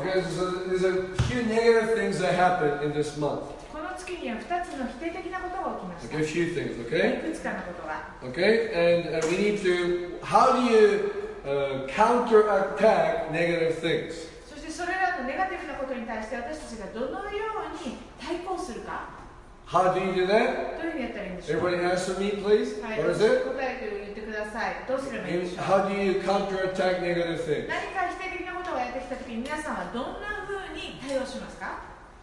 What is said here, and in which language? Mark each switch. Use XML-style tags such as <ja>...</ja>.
<en>Okay, so there's a few negative things that happened in this month.</en> <ja>この月には2つの否定的なことが起きました。</ja> <en>Okay, a few things, okay?</en> <ja>いくつかのことが。</ja> <en>Okay, and we need to, how do you counterattack negative things?</en> <ja>それらのネガティブなことに対して私たちがどのように対抗するか。</ja> <en>How do you do that?</en> <ja>どういうふうにやったらいいんでしょう。</ja> <en>Everybody answer me, please. What is it?</en> <ja>答えて言ってください。どうすればいいんでしょう。</ja> <en>How do you counterattack negative things?</en> <ja>何か否定的なことをやってきたときに皆さんはどんなふうに対応しますか。</ja>